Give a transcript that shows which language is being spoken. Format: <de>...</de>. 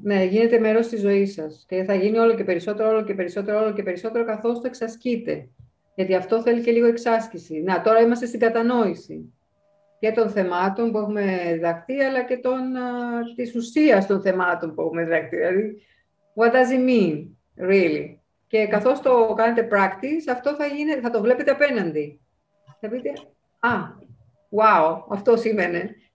<el>Ναι, γίνεται μέρος της ζωής σας και θα γίνει όλο και περισσότερο, όλο και περισσότερο, όλο και περισσότερο καθώς το εξασκείτε. Γιατί αυτό θέλει και λίγο εξάσκηση. Να, τώρα είμαστε στην κατανόηση και των θεμάτων που έχουμε διδαχθεί, αλλά και της ουσίας των θεμάτων που έχουμε διδαχθεί.</el> <en>Δηλαδή, what does it mean, really?</en> <el>Και καθώς το κάνετε practice, αυτό θα το βλέπετε απέναντι. Θα πείτε, α, wow, αυτό σήμαινε.</el>